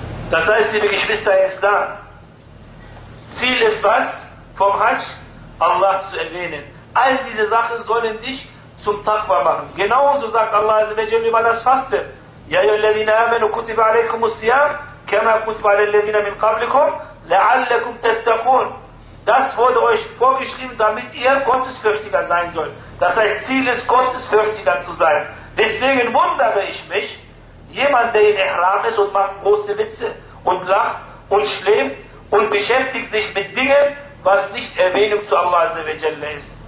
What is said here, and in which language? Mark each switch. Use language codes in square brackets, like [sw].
[de] Das heißt, liebe Geschwister, er ist da. Ziel ist was? Vom Hajj Allah zu erwähnen. All diese Sachen sollen dich zum Taqwa machen. Genauso sagt Allah über das Fasten. Ja, ihr [ar] الذين امنوا كتب عليكم الصيام كما كتب على الذين من قبلكم لعلكم تتقون. [de] Das wurde euch vorgeschrieben, damit ihr gottesfürchtiger sein sollt. Das heißt, Ziel ist, gottesfürchtiger zu sein. Deswegen wundere ich mich, jemand, der in Ihram ist und macht große Witze und lacht und schläft und beschäftigt sich mit Dingen, was nicht Erwähnung zu Allah azza wa jalla ist.